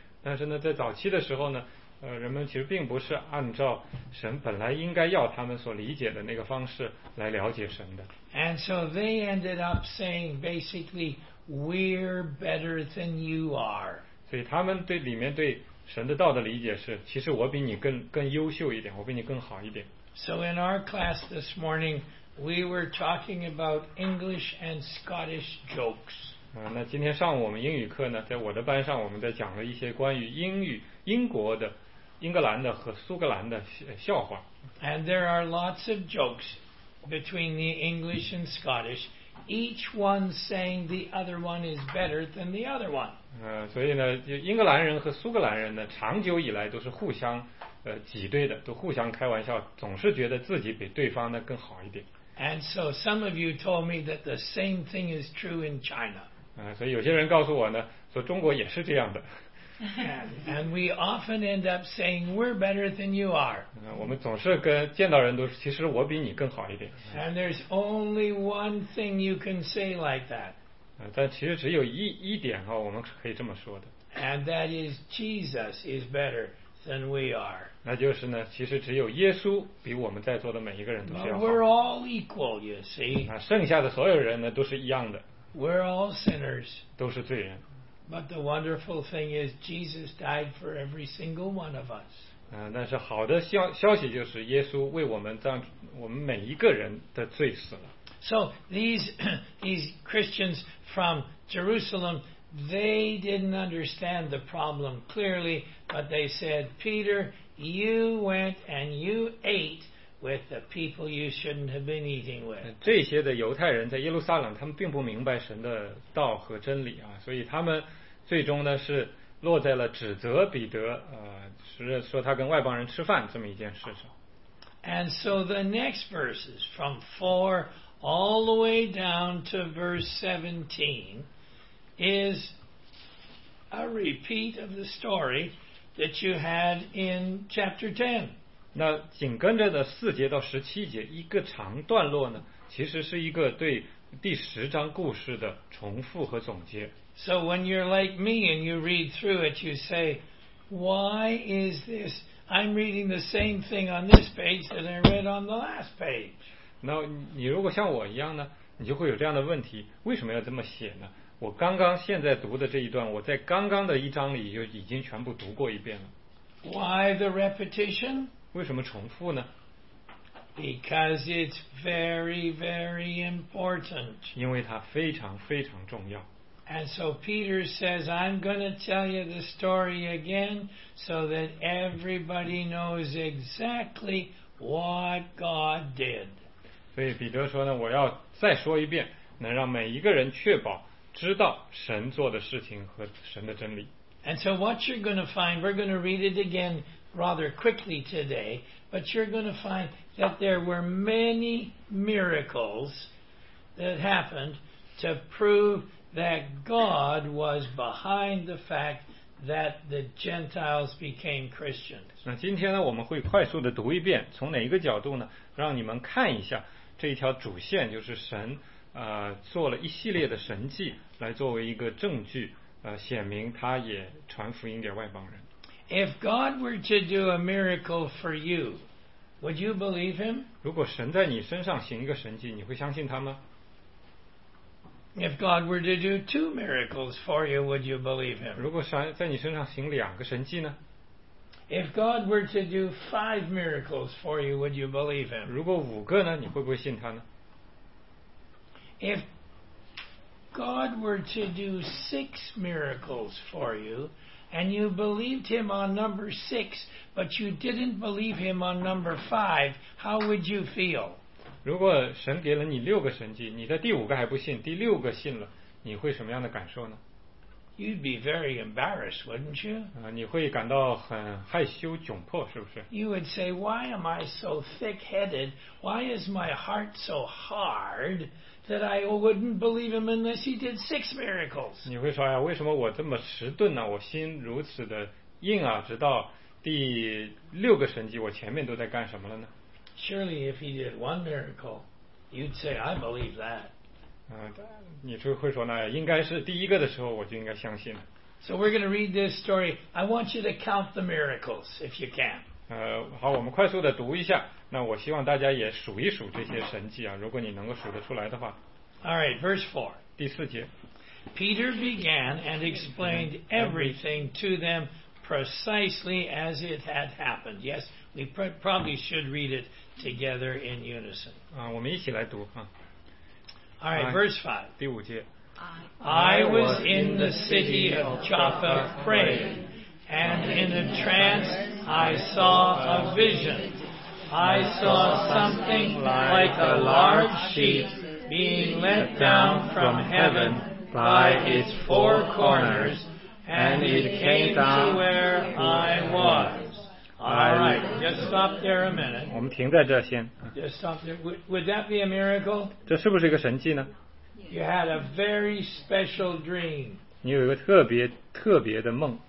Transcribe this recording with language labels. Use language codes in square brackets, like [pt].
[zh] 但是呢，在早期的时候呢，人们其实并不是按照神本来应该要他们所理解的那个方式来了解神的。 [en] And so they ended up saying basically, we're better than you are. [zh] 所以他们对里面对神的道的理解是，其实我比你更优秀一点，我比你更好一点。 [en] So in our class this morning, we were talking about English and Scottish jokes. [zh] 那今天上午我们英语课呢，在我的班上我们在讲了一些关于英国的英格兰的和苏格兰的笑话。 [en] And there are lots of jokes between the English and Scottish, each one saying the other one is better than the other one. [zh] 所以呢，英格兰人和苏格兰人呢，长久以来都是互相挤兑的，都互相开玩笑，总是觉得自己比对方呢更好一点。 [en] And so some of you told me that the same thing is true in China. [zh] 所以有些人告诉我呢，说中国也是这样的。 [en] And we often end up saying we're better than you are. [zh] 我们总是跟见到人都说，其实我比你更好一点。 [en] And there's only one thing you can say like that. [zh] 但其实只有一点哈，我们可以这么说的。 [en] And that is Jesus is better than we are. [zh] 那就是呢，其实只有耶稣比我们在座的每一个人都要好。 [en] We're all equal, you see. [zh] 剩下的所有人呢都是一样的。 [en] We're all sinners. [zh] 都是罪人。 [en] But the wonderful thing is Jesus died for every single one of us. [zh] 但是好的消息就是耶稣为我们每一个人的罪死了。 [en] So these Christians from Jerusalem, they didn't understand the problem clearly, but they said, Peter, you went and you ate with the people you shouldn't have been eating with. [zh] 这些的犹太人在耶路撒冷，他们并不明白神的道和真理啊，所以他们最终呢是落在了指责彼得，说他跟外邦人吃饭这么一件事上。 [en] And so the next verses from 4 all the way down to verse 17 is a repeat of the story that you had in chapter 10. [zh] 那紧跟着的四节到十七节一个长段落呢，其实是一个对第十章故事的重复和总结。 [en] So when you're like me and you read through it, you say, why is this? I'm reading the same thing on this page that I read on the last page. [zh] 那你如果像我一样呢，你就会有这样的问题，为什么要这么写呢？我刚刚现在读的这一段，我在刚刚的一章里就已经全部读过一遍了。 [en] Why the repetition? [zh] 为什么重复呢？ [en] Because it's very, very important. [zh] 因为它非常非常重要。 [en] And so Peter says, I'm going to tell you the story again so that everybody knows exactly what God did. [zh] 所以彼得说呢，我要再说一遍，能让每一个人确保知道神做的事情和神的真理。 [en] And so what you're going to find, we're going to read it again rather quickly today, but you're going to find that there were many miracles that happened to prove that God was behind the fact that the Gentiles became Christians. [zh] 那今天呢，我们会快速的读一遍，从哪一个角度呢？让你们看一下这一条主线，就是神做了一系列的神迹，来作为一个证据，显明他也传福音给外邦人。 [en] If God were to do a miracle for you, would you believe him? [zh] 如果神在你身上行一个神迹，你会相信他吗？ [en] If God were to do two miracles for you, would you believe him? [zh] 如果在你身上行两个神迹呢？ [en] If God were to do five miracles for you, would you believe him? [zh] 如果五个呢，你会不会信他呢？ [en] If God were to do six miracles for you, and you believed him on number six, but you didn't believe him on number five, how would you feel? [zh] 如果神给了你六个神迹，你在第五个还不信，第六个信了，你会什么样的感受呢？ [en] You'd be very embarrassed, wouldn't you? [zh] 你会感到很害羞窘迫，是不是？ [en] You would say, why am I so thick-headed? Why is my heart so hard that I wouldn't believe him unless he did six miracles? [zh] 你会说，为什么我这么迟钝呢？我心如此的硬啊，直到第六个神迹，我前面都在干什么了呢？ [en] Surely if he did one miracle, you'd say, I believe that. [zh] 你就会说呢，应该是第一个的时候我就应该相信了。 [en] So we're going to read this story. I want you to count the miracles if you can. [zh] 好，我们快速的读一下。那我希望大家也数一数这些神迹啊，如果你能够数得出来的话。 [en] All right, verse 4. [zh] 第四节。 [en] Peter began and explained everything to them precisely as it had happened. Yes, we probably should read it together in unison. [zh] 我们一起来读啊。 [en] All right, verse 5. [zh] 第五节。 [en] I was in the city of Joppa praying, and in a trance I saw a vision. I saw something like a large sheet being let down from heaven by its four corners, and it came to where I was. All right, just stop there a minute. [zh] 我们停在这先。 [en] Just stop there. Would that be a miracle? [zh] 这是不是一个神迹呢？ [en] You had a very special dream. [zh] 你有一个特别特别的梦。